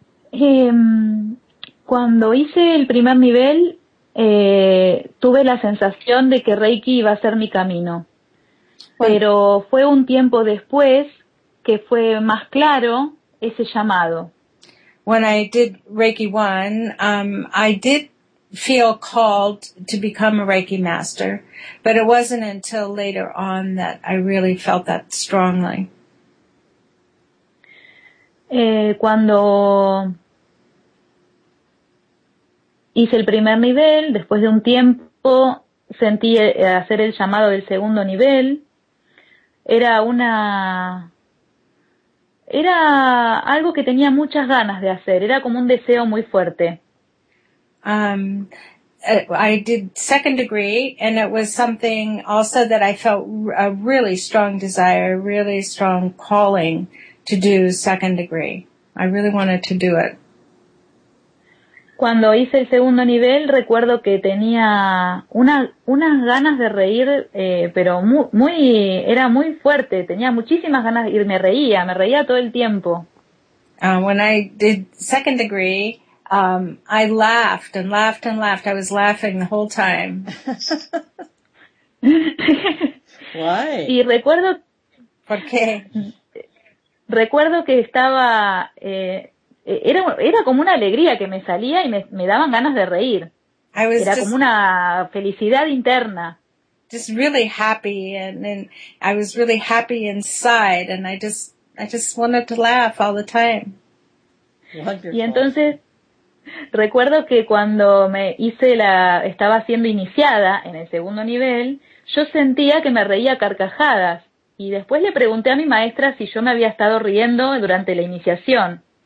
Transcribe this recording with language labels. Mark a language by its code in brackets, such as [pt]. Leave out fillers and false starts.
[es] Cuando hice el primer nivel, tuve la sensación de que Reiki iba a ser mi camino. Pero fue un tiempo después que fue más claro ese llamado. [en] When I did Reiki 1, I did feel called to become a Reiki master, but it wasn't until later on that I really felt that strongly. [es] Cuando hice el primer nivel, después de un tiempo sentí hacer el llamado del segundo nivel. Era algo que tenía muchas ganas de hacer, era como un deseo muy fuerte. [en] I did second degree and it was something also that I felt a really strong desire, a really strong calling to do second degree. I really wanted to do it. [es] Cuando hice el segundo nivel, recuerdo que tenía unas ganas de reír, pero era muy fuerte. Tenía muchísimas ganas y me reía todo el tiempo. [en] When I did second degree, I laughed and laughed and laughed. I was laughing the whole time. Why? [es] Y recuerdo... ¿Por qué? Recuerdo que estaba... Era como una alegría que me salía y me daban ganas de reír. Era como una felicidad interna. [en] Just really happy, and I was really happy inside, and I just wanted to laugh all the time. Wonderful. [es] Y entonces recuerdo que cuando estaba siendo iniciada en el segundo nivel, yo sentía que me reía carcajadas y después le pregunté a mi maestra si yo me había estado riendo durante la iniciación.